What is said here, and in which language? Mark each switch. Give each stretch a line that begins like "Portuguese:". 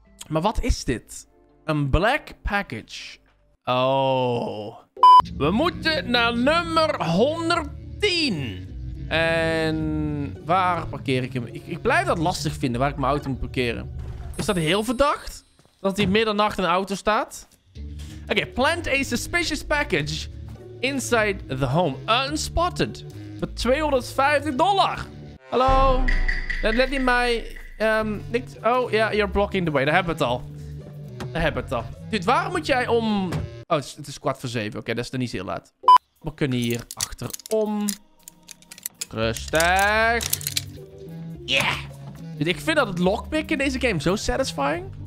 Dutch: Maar wat is dit? Een black package. Oh. We moeten naar nummer 110. En waar parkeer ik hem? Ik blijf dat lastig vinden waar ik mijn auto moet parkeren. Is dat heel verdacht? Dat hij middernacht in een auto staat?
English: Oké, plant a suspicious package inside the home.
Dutch: Unspotted. Voor $250. Hallo? Let niet mij.
English: Oh, ja, yeah, you're blocking the way.
Dutch: Daar hebben we het al. Daar hebben we het al. Dude, waarom moet jij om... Oh, het is 7:15. Oké, dat is dan niet zeer laat. We kunnen hier achterom. Rustig. Yeah. Dude, ik vind dat het lockpick in deze game zo satisfying.